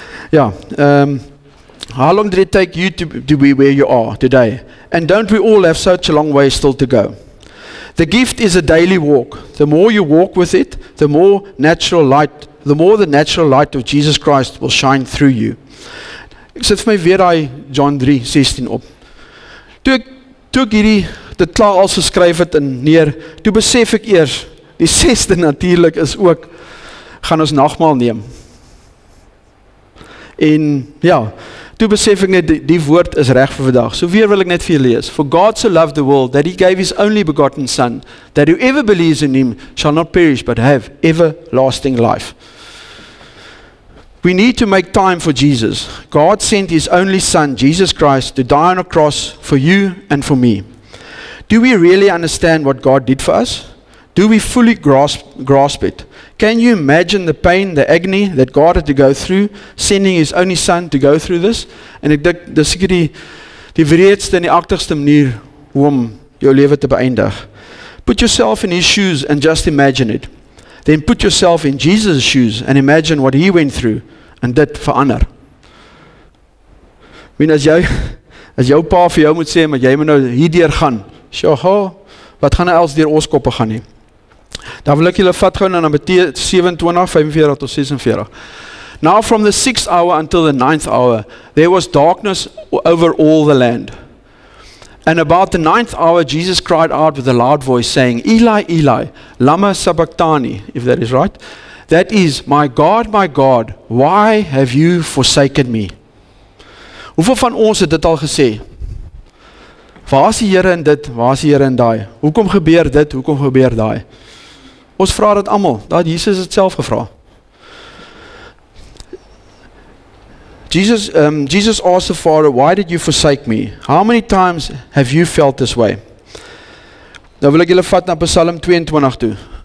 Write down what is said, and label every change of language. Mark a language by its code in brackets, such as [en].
[en] Ja, how long did it take you to be where you are today? And don't we all have such a long way still to go? The gift is a daily walk. The more you walk with it, the more the natural light of Jesus Christ will shine through you. [af] Ek sit vir my weer daai John 3:16 op. Toe ek hierdie dit klaar al geskryf het en neer, toe besef ek eers, die sesde natuurlik is ook, gaan ons nagmaal neem. En ja, toe besef ek net, die woord is reg vir vandag. So weer wil ek net vir julle lees. [en] For God so loved the world, that he gave his only begotten son, that whoever believes in him shall not perish, but have everlasting life. We need to make time for Jesus. God sent his only son, Jesus Christ, to die on a cross for you and for me. Do we really understand what God did for us? Do we fully grasp it? Can you imagine the pain, the agony that God had to go through, sending his only son to go through this? [af] En ek dink, dis seker die wreedste en die agterste manier om jou lewe te beëindig. [en] Put yourself in his shoes and just imagine it. Then put yourself in Jesus' shoes and imagine what he went through and [af] dit verander. [en] I mean, [af] as jou pa vir jou moet sê, maar jy moet nou hierdeur gaan, wat gaan nou els deur ons koppe gaan nie? Dan wil ek julle vat gou na Matteus 27:45 tot 46. [en] Now from the sixth hour until the ninth hour, there was darkness over all the land. And about the ninth hour, Jesus cried out with a loud voice, saying, Eli, Eli, lama sabachthani, if that is right. That is, my God, why have you forsaken me? [af] Hoeveel van ons het dit al gesê? Waar is die Here in dit? Waar is die Here in daai? Hoekom gebeur dit? Hoekom gebeur daai? Ons vra dit allemaal, dat Jesus het self gevra. [en] Jesus asked the Father, why did you forsake me? How many times have you felt this way? [af] Nou wil ek julle vat na Psalm 22 toe.